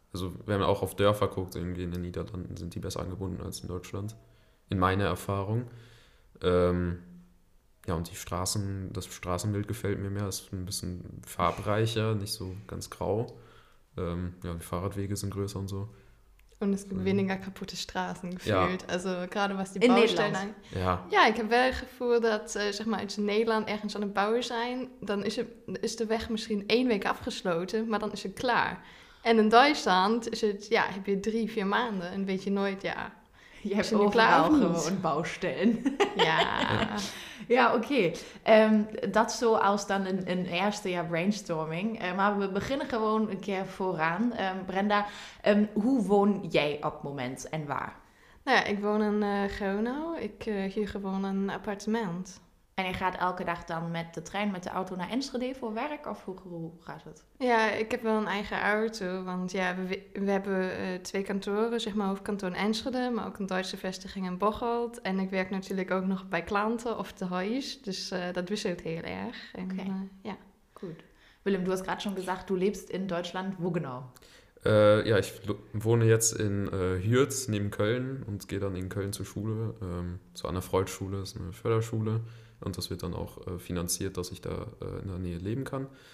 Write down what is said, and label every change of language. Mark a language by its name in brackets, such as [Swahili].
[German] Also wenn man auch auf Dörfer guckt, irgendwie in den Niederlanden sind die besser angebunden als in Deutschland. In meiner Erfahrung. Ja, und die Straßen, das Straßenbild gefällt mir mehr, ist ein bisschen farbreicher, nicht so ganz grau. Die Fahrradwege sind größer und so. Und es gibt weniger kaputte Straßen gefühlt. Ja. Also gerade was die Baustellen angeht. Ja, [Dutch] ich habe wel gevoel dat, zeg maar, als je in Nederland ergens aan het bouwen zijn, dan is de weg misschien één week afgesloten, maar dan is het klaar. En in Deutschland is het, ja, heb je 3-4 maanden en weet je nooit, ja. Je hebt overal gewoon Baustellen. Ja. Ja, okay. Dat zo als dan een eerste, ja, brainstorming. Maar we beginnen gewoon een keer vooraan. Brenda, hoe woon jij op het moment en waar? Nou ja, ik woon in Gronau. Ik huur gewoon een appartement. En je gaat elke dag dan met de trein, met de auto naar Enschede voor werk? Of hoe gaat het? Ja, ik heb wel een eigen auto. Want ja, we hebben twee kantoren, zeg maar hoofdkantoor in Enschede. Maar ook een Duitse vestiging in Bocholt. En ik werk natuurlijk ook nog bij klanten of te huis. Dus dat wisselt heel erg. Oké, okay. Ja. Goed. [German] Willem, du hast gerade schon gesagt, du lebst in Deutschland. Wo genau? Ja, ich wohne jetzt in Hürth neben Köln und gehe dann in Köln zur Schule. Zu einer Freud-Schule, das ist eine Förderschule. Und das wird dann auch finanziert, dass ich da in der Nähe leben kann.